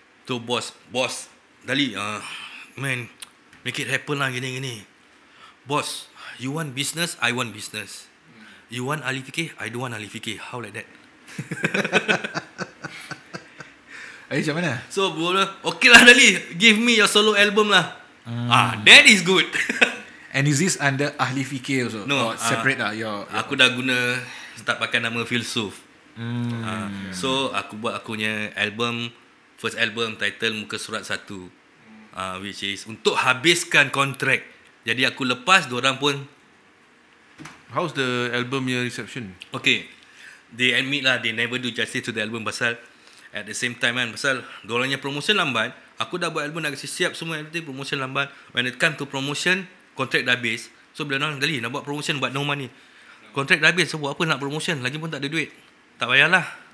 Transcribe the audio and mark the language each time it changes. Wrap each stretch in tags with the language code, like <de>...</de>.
<en>To boss, Adali, man, make it happen lah</en> <ms>gini-gini.</ms> <en>Boss, you want business, I want business. You want Ali Fikir? I don't want Ali Fikir. How like that?</en> <ms>Ali, macam mana?</ms> <en>So, okay lah Ali. Give me your solo album lah. Ah, that is good. And is this under Ahli Fikir also? No. Or separate lah?</en> <ms>Aku dah guna,</ms> <en>start</en> <ms>pakai nama Filsuf. So, aku buat aku punya album,</ms> <en>first album,</en> <ms>title Muka Surat 1.</ms> <en>Which is</en> <ms>untuk habiskan kontrak. Jadi aku lepas, diorang pun.</ms> <en>How's the album</en> <ms>punya</ms> <en>reception? Okay. They admit lah, they never do justice to the album.</en> <ms>Pasal</ms> <en>at the same time</en> <ms>kan, pasal diorang punya promotion lambat. Aku dah buat album, dah kasi siap semua</ms> <en>everything,</en> <ms>promotion lambat.</ms> <en>When it come to promotion,</en> <ms>kontrak dah habis. So bila orang gali nak buat promotion buat</ms> <en>no money.</en> <ms>Kontrak dah habis, so buat apa nak promotion? Lagi pun tak ada duit. Tak payahlah.</ms>